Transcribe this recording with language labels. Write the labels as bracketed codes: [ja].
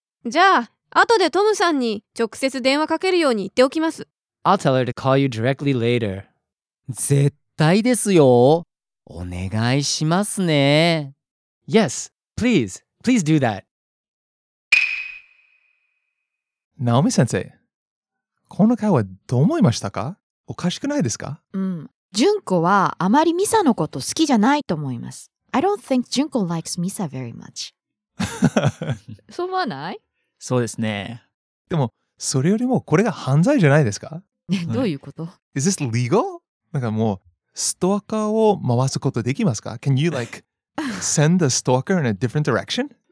[ja] じゃあ、後でトムさんに直接電話かけるように言っておきます。 [en] I'll tell her to call you directly later. [ja] 絶対ですよ。お願いしますね。 [en] Yes, please. Please do that. [ja] ナオミ先生、この会話どう思いましたか？おかしくないですか？純子はあまりミサのこと好きじゃないと思います。 [en] I don't think 純子 likes Misa very much. [ja] そう思わない？そうですね。でも、それよりもこれが犯罪じゃないですか？どういうこと？ [en] Is this legal? [ja] なんかもう、ストーカーを回すことできますか？ [en] Can you like send the stalker in a different direction?